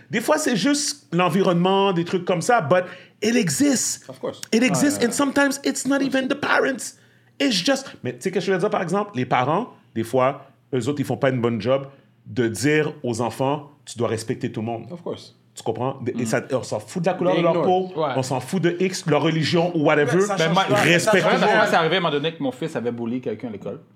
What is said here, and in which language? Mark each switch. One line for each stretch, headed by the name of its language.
French: Des fois, c'est juste l'environnement, des trucs comme ça.
English: But... It exists. Of course. It exists. Ah, and sometimes it's not even the parents. It's just...
French: Mais tu sais que je veux dire, par exemple, les parents, des fois, eux autres, ils font pas une bonne job de dire aux enfants, tu dois respecter tout le monde.
English: Of course.
French: Tu comprends? Et ça, on s'en fout de la couleur de leur peau. Ouais. On s'en fout de X, leur religion ou whatever. Mais moi, c'est arrivé à un moment donné que mon fils avait bully quelqu'un à l'école.